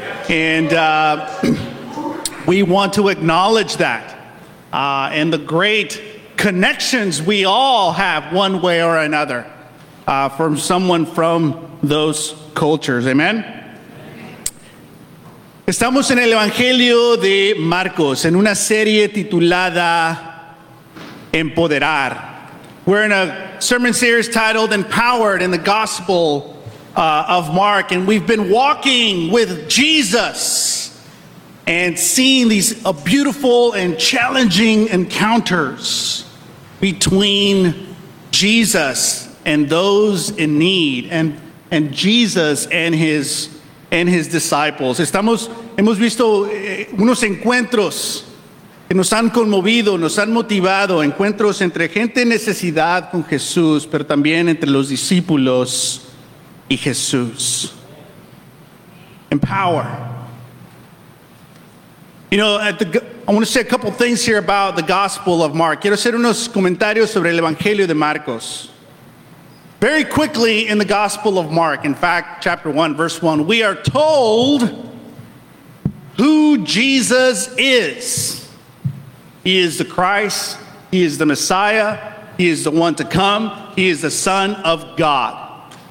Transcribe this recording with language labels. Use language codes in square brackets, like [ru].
[en] And we want to acknowledge that and the great connections we all have one way or another from someone from those cultures. Amen? [es] Estamos en el Evangelio de Marcos, en una serie titulada Empoderar. [en] We're in a sermon series titled Empowered in the Gospel of Mark, and we've been walking with Jesus and seeing these beautiful and challenging encounters between Jesus and those in need, and Jesus and his disciples. [es] Hemos visto unos encuentros que nos han conmovido, nos han motivado, encuentros entre gente en necesidad con Jesús, pero también entre los discípulos y Jesús. [en] Empower. You know, I want to say a couple things here about the Gospel of Mark. [es] Quiero hacer unos comentarios sobre el Evangelio de Marcos. [en] Very quickly in the Gospel of Mark, in fact, chapter 1, verse 1, we are told who Jesus is. He is the Christ, he is the Messiah, he is the one to come, he is the Son of God.